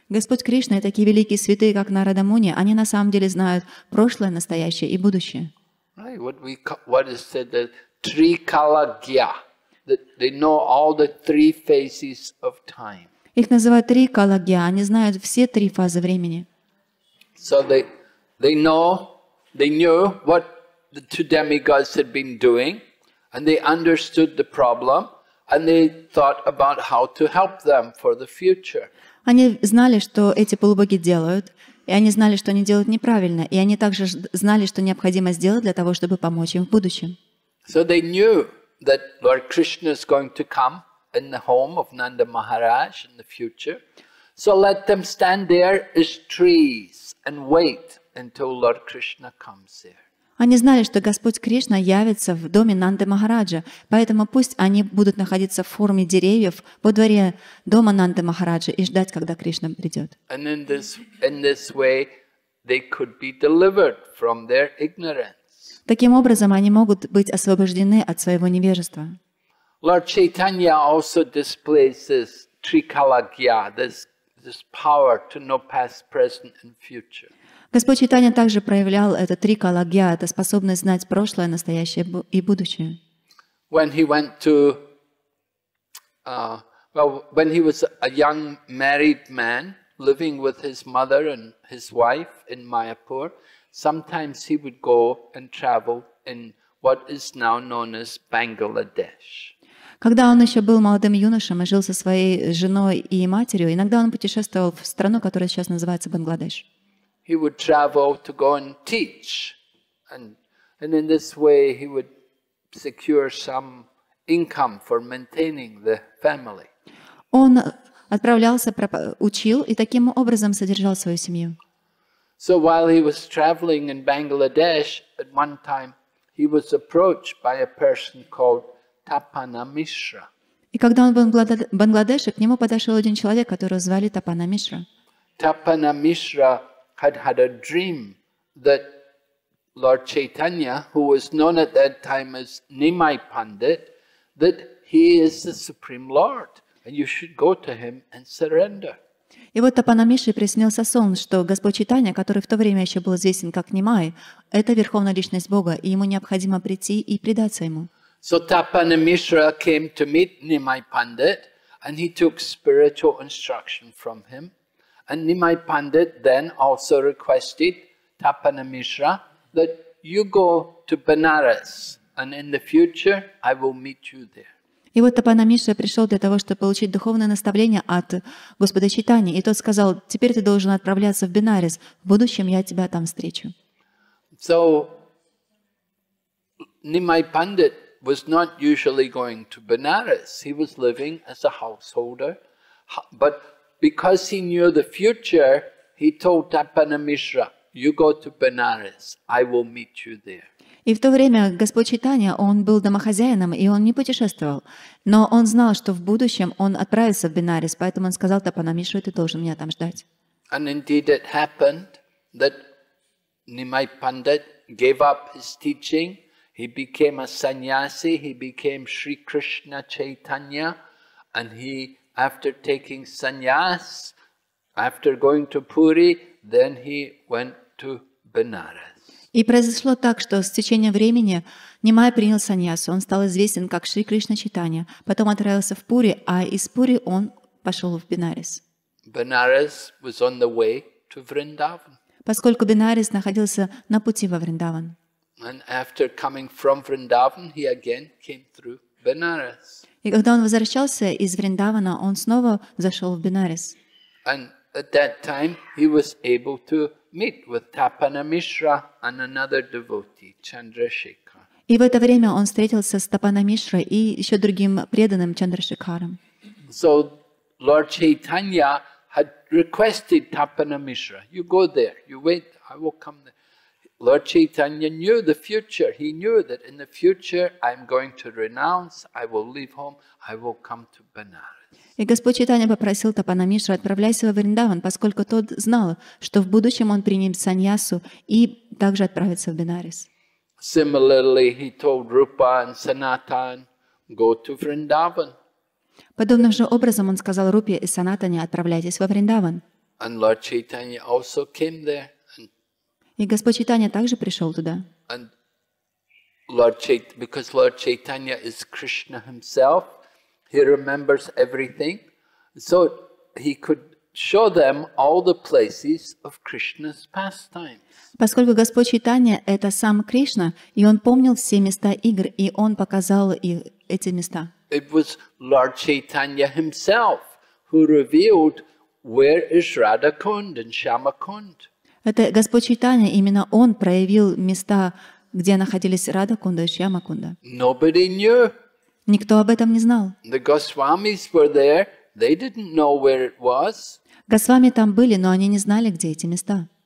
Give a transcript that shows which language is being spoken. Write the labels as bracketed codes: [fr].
[ru] Господь Кришна и такие великие святые, как Нарада Муни, они на самом деле знают прошлое, настоящее и будущее. [en] What is said, the three kala gya, that they know all the three phases of time. [ru] Их называют три кала гья, они знают все три фазы времени. [en] So they knew what the two demigods had been doing, and they understood the problem, and they thought about how to help them for the future. [ru] Они знали, что эти полубоги делают. И они знали, что они делают неправильно, и они также знали, что необходимо сделать для того, чтобы помочь им в будущем. [en] So they knew that Lord Krishna is going to come in the home of Nanda Maharaj in the future. So let them stand there as trees and wait until Lord Krishna comes there. [ru] Они знали, что Господь Кришна явится в доме Нанды Махараджа, поэтому пусть они будут находиться в форме деревьев во дворе дома Нанды Махараджа и ждать, когда Кришна придет. [en] And in this way they could be delivered from their ignorance. [ru] Таким образом, они могут быть освобождены от своего невежества. [en] Lord Chaitanya also displays this trikalagya, this power to know past, present and future. [ru] Господь Чайтанья также проявлял это три калагья, это способность знать прошлое, настоящее и будущее. [en] When he went to, when he was a young married man living with his mother and his wife in Mayapur, sometimes he would go and travel in what is now known as Bangladesh. [ru] Когда он еще был молодым юношем и жил со своей женой и матерью, иногда он путешествовал в страну, которая сейчас называется Бангладеш. [en] He would travel to go and teach, and in this way he would secure some income for maintaining the family. [ru] Он отправлялся, учил и таким образом содержал свою семью. [en] So while he was traveling in Bangladesh, at one time he was approached by a person called Tapana Mishra. [ru] И когда он был в Бангладеше, к нему подошел один человек, которого звали Тапана Мишра. [en] Tapana Mishra had a dream that Lord Chaitanya, who was known at that time as Nimai Pandit, that he is the Supreme Lord, and you should go to him and surrender. [ru] И вот Тапана Мишре приснился сон, что Господь Чайтанья, который в то время еще был известен как Нимай, это верховная личность Бога, и ему необходимо прийти и предаться ему. [en] So Тапана Мишра came to meet Nimai Pandit, and he took spiritual instruction from him. And Nimai Pandit then also requested Tapana Mishra that you go to Banaras, and in the future I will meet you there. [ru] И вот Тапана Мишра пришел для того, чтобы получить духовное наставление от Господа Чайтаньи, и тот сказал: теперь ты должен отправляться в Бенарес. В будущем я тебя там встречу. [en] So Nimai Pandit was not usually going to Banaras. He was living as a householder, but because he knew the future, he told Tapana Mishra, "You go to Benares. I will meet you there." [ru] И в то время Господь Чайтанья, он был домохозяином и он не путешествовал, но он знал, что в будущем он отправится в Бенарес, поэтому он сказал Тапана Мишре, "Ты должен меня там ждать." [en] And indeed, it happened that Nimai Pandit gave up his teaching. He became a sannyasi. He became Sri Krishna Chaitanya, and he. After taking sannyas, after going to Puri, then he went to Benares. [ru] И произошло так, что с течением времени Нимай принял сannyas. Он стал известен как Шри Кришна Чайтанья. Потом отправился в Пури, а из Пури он пошел в Бенарес. [en] Benares was on the way to Vrindavan. [ru] Поскольку Бенарес находился на пути во Вриндаван. [en] And after coming from Vrindavan, he again came through Benares. [ru] И когда он возвращался из Вриндавана, он снова зашел в Бенарес. [en] And at that time he was able to meet with Tapana Mishra and another devotee, Chandrashekhar. [ru] И в это время он встретился с Тапана Мишра и еще другим преданным Чандрашекаром. [en] So Lord Chaitanya had requested Tapana Mishra, you go there, you wait, I will come there. Lord Chaitanya knew the future. He knew that in the future I'm going to renounce, I will leave home, I will come to Benares. [ru] И Господь Чайтанья попросил Тапана Мишру, отправляйся во Вриндаван, поскольку тот знал, что в будущем он примет саньясу и также отправится в Бенарес. [en] Similarly, he told Rupa and Sanatan, go to Vrindavan. [ru] Подобным же образом он сказал Рупе и Санатане, отправляйтесь во Вриндаван. [en] And Lord Chaitanya also came there. [ru] И Господь Чайтанья также пришел туда. [en] And Lord Chaitanya, because Lord Chaitanya is Krishna himself, he remembers everything. So he could show them all the places of Krishna's pastimes. [ru] Поскольку Господь Чайтанья — это сам Кришна, и он помнил все места игр, и он показал эти места. [en] It was Lord Chaitanya himself who revealed where is Radhakund and Shyamakund. [ru] Это Господь Чайтанья, именно Он проявил места, где находились Радхакунда и Шьямакунда. [en] Nobody knew. [ru] Никто об этом не знал. [en] The Госвамис were there. They didn't know where it was. [ru] Госвами там были, но они не знали, где эти места.